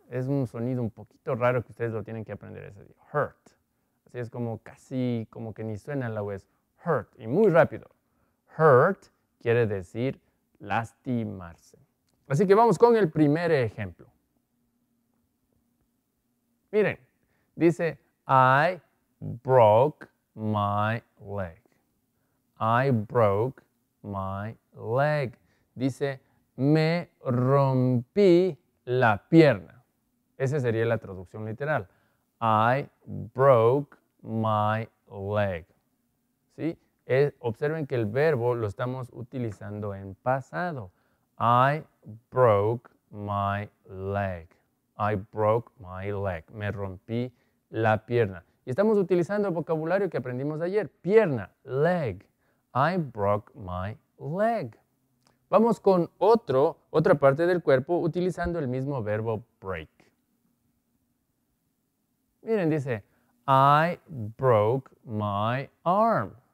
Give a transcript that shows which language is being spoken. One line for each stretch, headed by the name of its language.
Spanish: Es un sonido un poquito raro que ustedes lo tienen que aprender ese día. Hurt. Así es como casi, como que ni suena la voz. Hurt, y muy rápido. Hurt quiere decir lastimarse. Así que vamos con el primer ejemplo. Miren, dice,
English: I broke my leg. I broke my leg.
Spanish: Dice, me rompí la pierna. Esa sería la traducción literal.
English: I broke my leg.
Spanish: ¿Sí? Observen que el verbo lo estamos utilizando en pasado.
English: I broke my leg. I broke my leg.
Spanish: Me rompí la pierna. Y estamos utilizando el vocabulario que aprendimos ayer. Pierna, leg.
English: I broke my leg.
Spanish: Vamos con otra parte del cuerpo utilizando el mismo verbo break. Miren, dice,
English: I broke my arm.